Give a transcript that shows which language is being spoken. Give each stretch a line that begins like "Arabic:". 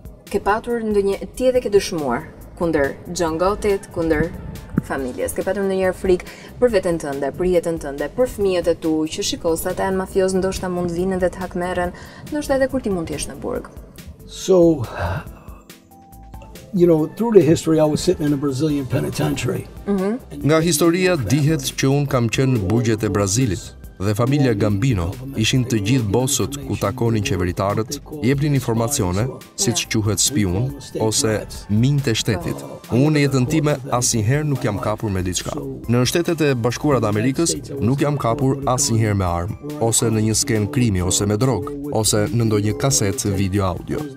Albanian: Ke patur ndonjë ti edhe ke dëshmuar kundër Xhongotit, kundër familjes. Ke patur ndonjëherë frikë për veten tënde, për jetën tënde, për fëmijët e tu, që shikosa ata janë mafioz, ndoshta mund vinë dhe të hakmerren, ndoshta edhe kur ti mund të jesh në burg.
English: So, you know, through the history I was sitting in a Brazilian penitentiary.
Albanian: Nga historia dihet që un kam qenë në burgjet e Brazilit. Dhe familja Gambino ishin të gjithë bosët ku takonin qeveritarët, jepnin informacione, si që quhet spion, ose minjë të shtetit. Unë e jetën time asnjëherë nuk jam kapur me diçka. Në Shtetet e Bashkuara të Amerikës nuk jam kapur asnjëherë me armë, ose në një skenë krimi, ose me drogë, ose në ndonjë kasetë video audio.